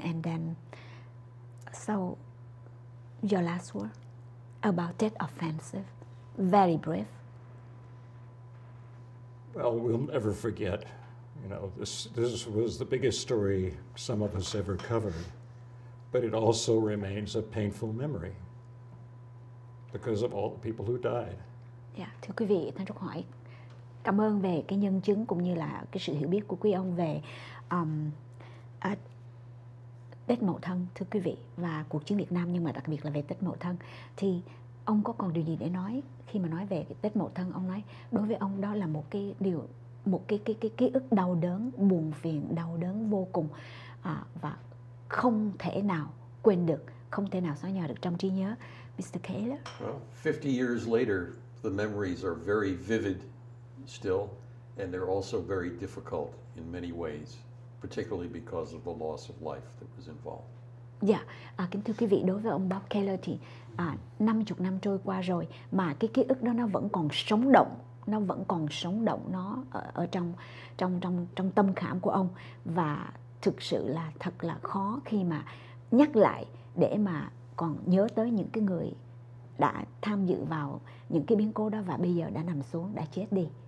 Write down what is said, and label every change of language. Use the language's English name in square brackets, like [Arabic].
[English] And then, so your last word about that offensive, very brief. Well, we'll never forget. You know, this was the biggest story some of us ever covered, but it also remains a painful memory because of all the people who died. [Vietnamese] Yeah, thưa quý vị, thân chúc hỏi cảm ơn về cái nhân chứng cũng như là cái sự hiểu biết của quý ông về Tết Mậu Thân, thưa quý vị, và cuộc chiến Việt Nam, nhưng mà đặc biệt là về Tết Mậu Thân. Thì ông có còn điều gì để nói khi mà nói về Tết Mậu Thân? Ông nói đối với ông đó là một cái điều một cái ký ức đau đớn, buồn phiền, đau đớn vô cùng và không thể nào quên được, không thể nào xóa nhòa được trong trí nhớ. [English] Mr. Keller. Well, 50 years later, the memories are very vivid still, and they're also very difficult in many ways, particularly because of the loss of life that was involved. Yeah. [Vietnamese] À, kính thưa quý vị, đối với ông Bob Keller thì 50 năm trôi qua rồi mà cái ký ức đó nó vẫn còn sống động, nó vẫn còn sống động nó ở trong tâm khảm của ông, và thực sự là thật là khó khi mà nhắc lại để mà còn nhớ tới những cái người đã tham dự vào những cái biến cố đó và bây giờ đã nằm xuống, đã chết đi.